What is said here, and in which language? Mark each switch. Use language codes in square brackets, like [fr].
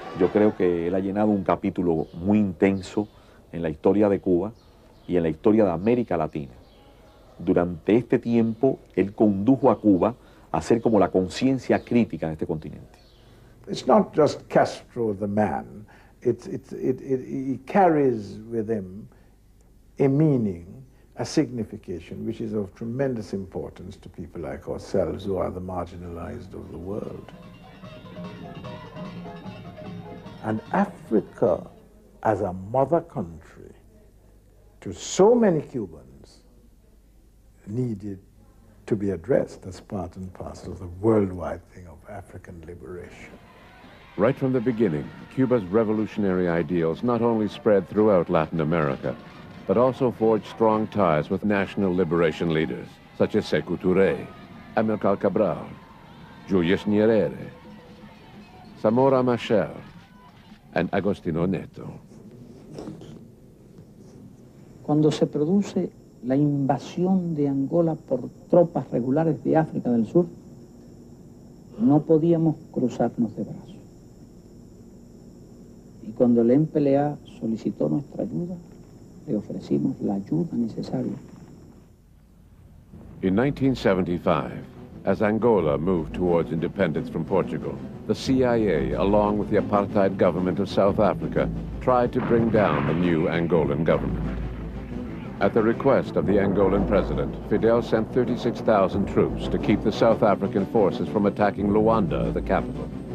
[es] Creo que él ha llenado un capítulo muy intenso en la historia de Cuba y en la historia de América Latina. Durante este tiempo, él condujo a Cuba a ser como la conciencia crítica de este continente. [en] It's not just Castro the man. He carries with him a meaning, a signification, which is of tremendous importance to people like ourselves, who are the marginalized of the world. And Africa, as a mother country to so many Cubans, needed to be addressed as part and parcel of the worldwide thing of African liberation. Right from the beginning, Cuba's revolutionary ideals not only spread throughout Latin America, but also forged strong ties with national liberation leaders, such as Sekou Touré, Amilcar Cabral, Julius Nyerere, Samora Machel, and Agostino Neto. [es] Cuando se produce la invasión de Angola por tropas regulares de África del Sur, no podíamos cruzarnos de brazos. Y cuando el MPLA solicitó nuestra ayuda, le ofrecimos la ayuda necesaria. [en] In 1975, as Angola moved towards independence from Portugal, the CIA, along with the apartheid government of South Africa, tried to bring down the new Angolan government. At the request of the Angolan president, Fidel sent 36,000 troops to keep the South African forces from attacking Luanda, the capital.